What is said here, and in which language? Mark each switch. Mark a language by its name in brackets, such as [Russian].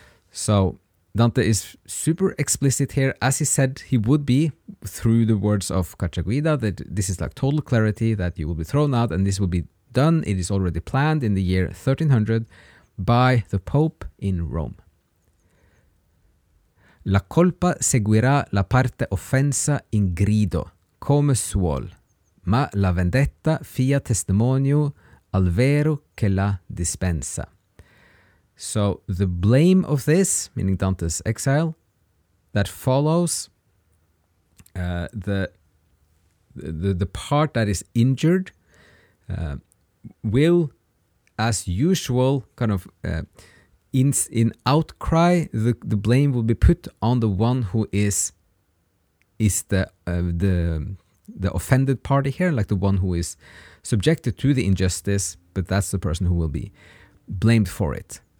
[English] So Dante is super explicit here, as he said he would be through the words of Cacciaguida, that this is total clarity, that you will be thrown out and this will be done. It is already planned in the year 1300 by the Pope in Rome. [Italian] La colpa seguirà la parte offensa in grido, come suol, ma la vendetta fia testimonio al vero che la dispensa. [English] So the blame of this, meaning Dante's exile, that follows, the part that is injured, will, as usual, in outcry, the blame will be put on the one who is the offended party here, the one who is subjected to the injustice, but that's the person who will be blamed for it.